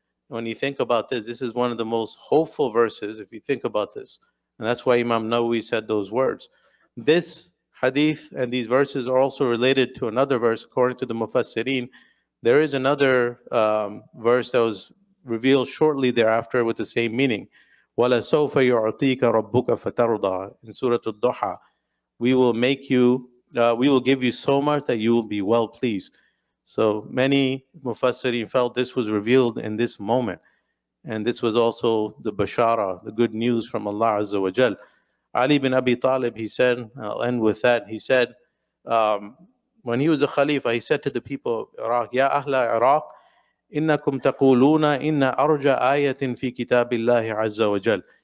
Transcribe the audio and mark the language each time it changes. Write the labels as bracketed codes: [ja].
[en] When you think about this, this is one of the most hopeful verses if you think about this. And that's why Imam Nawawi said those words. This hadith and these verses are also related to another verse according to the Mufassirin. There is another verse that was revealed shortly thereafter with the same meaning. [ar] وَلَسَوْفَ يُعْطِيكَ رَبُّكَ فَتَرْضَى [en] in Surah Al-Duha. We will give you so much that you will be well pleased. So many Mufassirin felt this was revealed in this moment. And this was also the Bashara, the good news from Allah Azza wa Jal. Ali bin Abi Talib, he said, I'll end with that. He said, when he was a Khalifa, he said to the people of Iraq, Ya Ahla Iraq, [ar] إِنَّكُمْ تَقُولُونَ إِنَّ أَرْجَ آيَةٍ فِي كِتَابِ اللَّهِ عَزَّ وَجَلَّ.